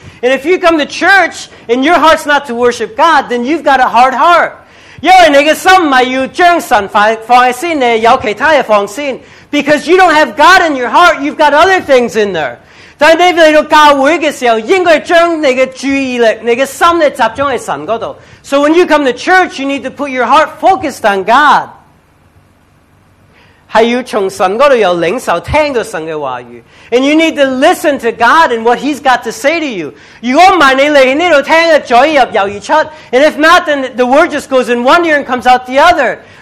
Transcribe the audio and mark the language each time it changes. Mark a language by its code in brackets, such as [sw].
[en] And if you come to church and your heart's not to worship God, then you've got a hard heart. [zh] 因为你的心不是要将神放在心，你有其他的放心。 [en] Because you don't have God in your heart, you've got other things in there. [zh] 但你来到教会的时候，应该将你的注意力、你的心呢，集中在神那里。 [en] So when you come to church, you need to put your heart focused on God. [zh] 是要从神那里有领受，听到神的话语。 [en] And you need to listen to God and what He's got to say to you. [zh] 如果不是你来这里听，左耳入右耳出。 [en] And if not, then the word just goes in one ear and comes out the other.